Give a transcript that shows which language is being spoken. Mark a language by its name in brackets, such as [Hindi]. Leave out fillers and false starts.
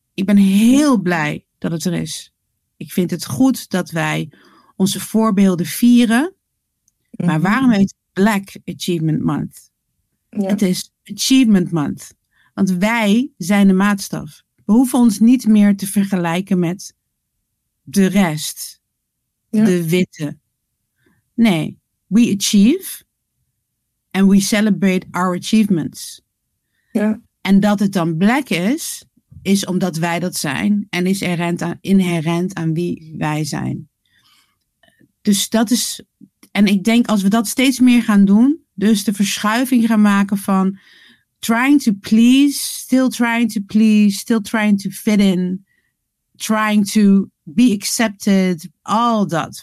[Dutch] Ik ben heel blij dat het er is. Ik vind het goed dat wij onze voorbeelden vieren. Maar waarom heet Black Achievement Month? Ja. Het is Achievement Month. Want wij zijn de maatstaf. We hoeven ons niet meer te vergelijken met de rest. Ja. De witte. [English] Nee, we achieve and we celebrate our achievements. [Dutch] Ja. En dat het dan black is, is omdat wij dat zijn en is inherent aan wie wij zijn. Dus dat is, en ik denk als we dat steeds meer gaan doen, dus de verschuiving gaan maken van [English] trying to please, still trying to please, still trying to fit in, trying to be accepted, [Dutch] al dat.